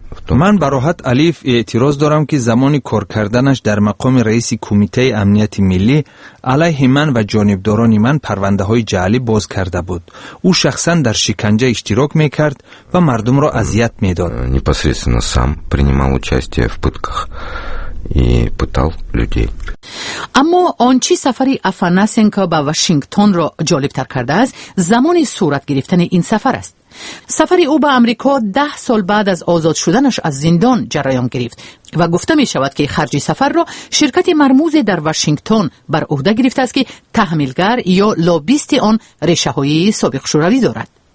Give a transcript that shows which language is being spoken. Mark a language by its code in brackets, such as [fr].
[fa] من به راحت علیف اعتراض دارم که زمانی کار کردنش در مقام رئیس کمیته امنیت ملی علیه من و جانبداران من پرونده های جعلی باز کرده بود. او شخصا در شکنجه اشتراک می کرد و مردم را اذیت می داد. [ru] непосредственно сам принимал участие в пытках и пытал людей. [fa] اما آنچی سفری افاناسینکا به واشنگتن را جالب تر کرده است زمانی صورت گرفتن این سفر است. سفری او به امریکا 10 سال بعد از آزاد شدنش از زندان جریان گرفت و گفته می شود که خرج سفر را شرکت مرموز در واشنگتن بر عهده گرفته است که تحمیلگر یا لابیست آن ریشه های سابق شوروی دارد.